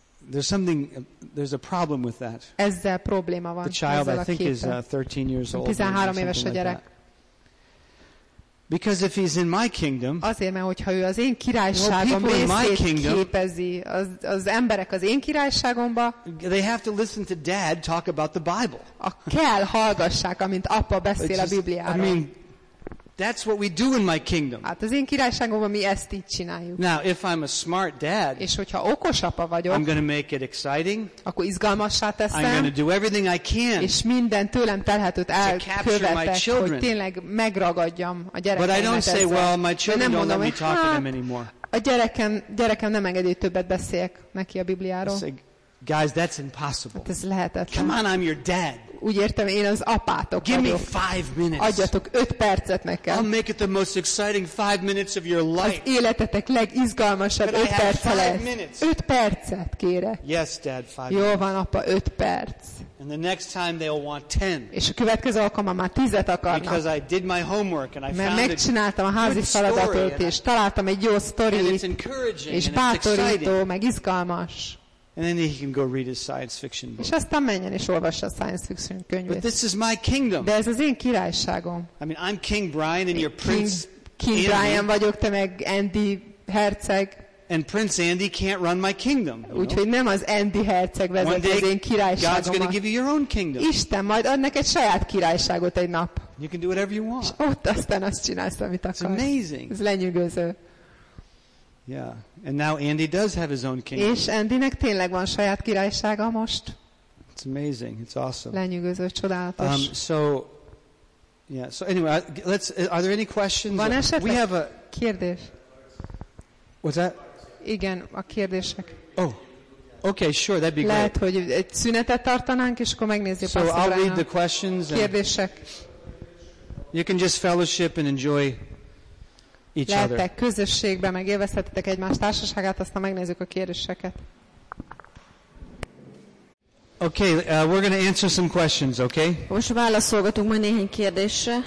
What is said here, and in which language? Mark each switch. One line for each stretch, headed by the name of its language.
English: There's a problem with that.
Hungarian: Ezzel probléma van.
English: The child,
Hungarian: ezzel a
English: I think,
Hungarian: képen.
English: Is 13 years old.
Hungarian: 13 éves a gyerek.
English: Like because if he's in my kingdom,
Hungarian: azért, mert hogyha ő az én királyságom részét képezi, az emberek az én királyságomba,
English: they have to listen to dad talk about the Bible.
Hungarian: Kell hallgassák, amint apa beszél a Bibliáról.
English: I mean, that's what we do in my kingdom.
Hungarian: Hát az én királyságomban mi ezt így csináljuk.
English: Now, if I'm a smart dad,
Hungarian: és hogyha okos apa vagyok,
English: I'm going to make it exciting.
Hungarian: Akkor izgalmassá teszem.
English: I'm going to do everything I can.
Hungarian: És minden tőlem telhetőt elkövetek, hogy tényleg megragadjam a gyerekeimet.
English: But I don't say, well, my children don't let me talk to them anymore.
Hungarian: A gyerekem nem engedi, többet beszéljek neki a Bibliáról.
English: Guys, that's impossible.
Hungarian: Hát ez lehetetlen.
English: Come on, I'm your dad.
Hungarian: Úgy értem, én az apátok
English: give
Hungarian: vagyok.
English: Me 5 minutes.
Hungarian: Adjatok 5 percet nekem.
English: I'll make it the most exciting 5 minutes of your life.
Hungarian: Az életetek legizgalmasabb 5 perce lesz. 5 percet kérek.
English: Yes, dad, 5
Hungarian: jó van, apa, 5 perc.
English: And the next time they'll want 10.
Hungarian: És a következő alkalommal már 10-et akarnak.
English: Because I did my homework and I
Hungarian: mert megcsináltam a házi feladatot, és találtam egy jó sztorit, és bátorító, meg izgalmas.
English: And then he can go read his science fiction book.
Hungarian: És aztán menjen és olvassa a science fiction könyvet.
English: But this is my kingdom.
Hungarian: De ez az én királyságom.
English: I mean, I'm King Brian and your prince.
Hungarian: King Brian vagyok, te meg Andy herceg.
English: And Prince Andy can't run my kingdom.
Hungarian: Úgyhogy nem az Andy herceg vezeti az én királyságomat.
English: God's going to give you your own kingdom.
Hungarian: Isten majd ad neked saját királyságot egy nap.
English: You can do whatever you want.
Hungarian: És ott aztán azt csinálsz, amit akarsz.
English: It's amazing.
Hungarian: Ez lenyűgöző.
English: Yeah, and now Andy does have his own kingdom.
Hungarian: És Andynek tényleg van saját királysága most.
English: It's amazing. It's awesome.
Hungarian: Lenyűgöző, csodálatos.
English: So anyway, let's. Are there any questions?
Hungarian: Van esetleg?
English: We have a
Hungarian: kérdés.
English: What's that?
Hungarian: Igen, a kérdések.
English: Oh, okay, sure, that'd be
Hungarian: lehet, Lehet, hogy egy szünetet tartanánk, és akkor megnézzük.
English: So I'll read the questions.
Hungarian: Kérdések.
English: You can just fellowship and enjoy.
Hungarian: Lehettek közösségben, meg élvezhetitek egymás társaságát, aztán megnézzük a kérdéseket.
English: Okay, we're going to answer some questions, okay?
Hungarian: Most válaszolgatunk majd néhány kérdésre.